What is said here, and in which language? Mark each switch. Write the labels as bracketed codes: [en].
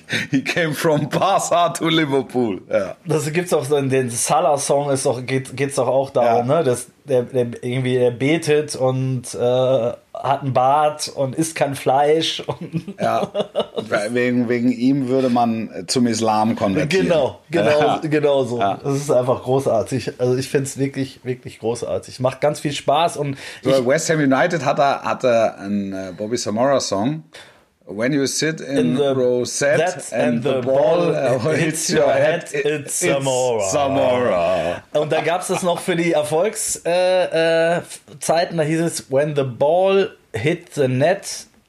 [en] He came from Barca to Liverpool. [de] Ja. Das gibt's auch so in den Salah-Song, geht's auch darum, ne? Dass der irgendwie, der betet und hat einen Bart und isst kein Fleisch. Und ja, wegen ihm würde man zum Islam konvertieren. Genau so. Ja. Das ist einfach großartig. Also ich finde es wirklich, wirklich großartig. Macht ganz viel Spaß. Und West Ham United hatte einen Bobby Samora-Song. [en] When you sit in the rosette and the ball hits your head, it's Zamora. Zamora. [de] Und da gab es das noch für die Erfolgszeiten, da hieß es, [en] when the ball hit the net.